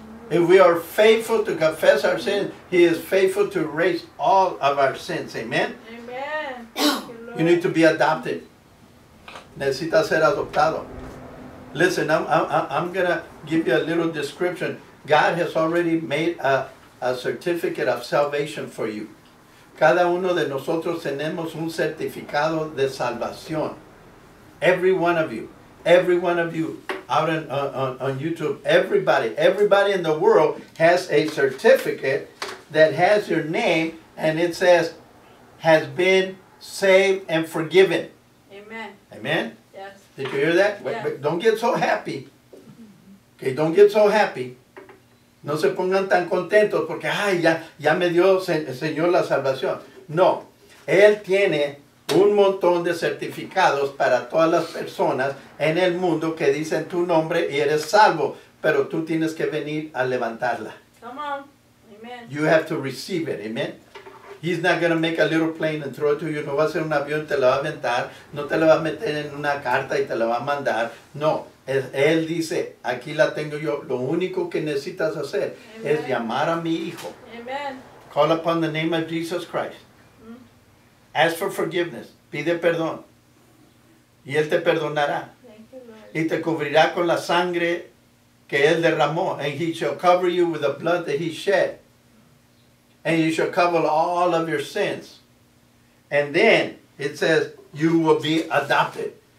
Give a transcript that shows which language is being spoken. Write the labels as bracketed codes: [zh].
[en] If we are faithful to confess our sins, He is faithful to erase all of our sins. Amen. Amen. You need to be adopted. [es] Necesita ser adoptado. [en] Listen, I'm going to give you a little description. God has already made a certificate of salvation for you. [es] Cada uno de nosotros tenemos un certificado de salvación. [en] Every one of you. Every one of you out on YouTube. Everybody in the world has a certificate that has your name and it says, has been saved and forgiven. Amen. Amen? Yes. Did you hear that? Yes. Wait, don't get so happy. Okay, don't get so happy. [es] No se pongan tan contentos porque, ay, ya me dio el Señor la salvación. No, Él tiene un montón de certificados para todas las personas en el mundo que dicen tu nombre y eres salvo, pero tú tienes que venir a levantarla. [en] Come on, amen. You have to receive it, amen. He's not going to make a little plane and throw it to you. [es] No va a ser un avión, te la va a aventar. No te la va a meter en una carta y te la va a mandar. No. Él dice, aquí la tengo yo. Lo único que necesitas hacer [en] Amen. [es] Es llamar a mi hijo. [en] Amen. Call upon the name of Jesus Christ. Mm-hmm. Ask for forgiveness. [es] Pide perdón. Y Él te perdonará. [en] Thank you, Lord. [es] Y te cubrirá con la sangre que Él derramó. [en] And He shall cover you with the blood that He shed. And you shall cover all of your sins. And then it says, you will be adopted.